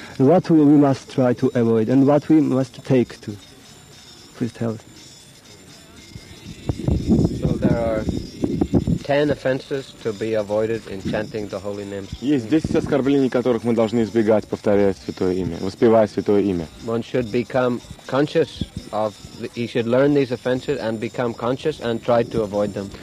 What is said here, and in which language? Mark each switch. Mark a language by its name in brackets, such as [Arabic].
[English] What we must try to avoid, and what we must take to? Please tell us. So there are 10 offenses to be avoided in chanting the holy name. [Russian] Есть 10 оскорблений, которых мы должны избегать, повторяя святое имя, воспевая святое имя. [English] One should become conscious of. He should learn these offenses and become conscious and try to avoid them.